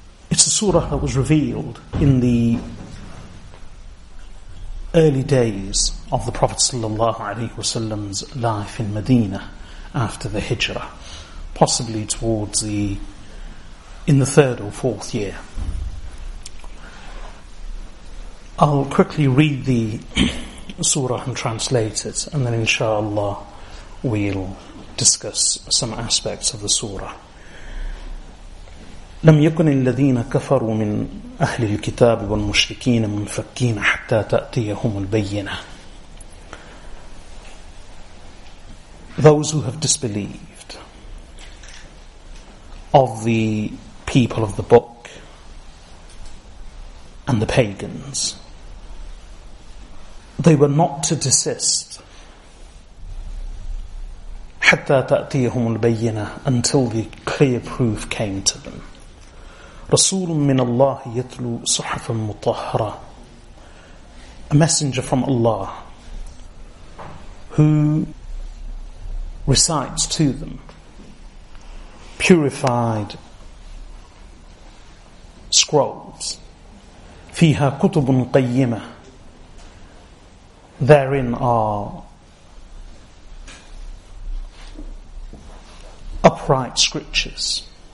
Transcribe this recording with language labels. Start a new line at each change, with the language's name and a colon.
English: It's a surah that was revealed in the early days of the Prophet sallallahu alaihi wasallam's life in Medina after the Hijrah, possibly towards the third or fourth year. I'll quickly read the surah and translate it, and then inshallah we'll discuss some aspects of the surah.
Arabic: لم يكن الذين كفروا من أهل الكتاب والمشركين منفكين حتى تأتيهم البينة.
English: Those who have disbelieved of the people of the book and the pagans, they were not to desist
Arabic: حتى تأتيهم البينة
English: until the clear proof came to them.
Arabic: رسول من الله يتلو صحفا مطهرة.
English: A messenger from Allah who recites to them purified scrolls.
Arabic: فيها كتب قيمة.
English: Therein are upright scriptures.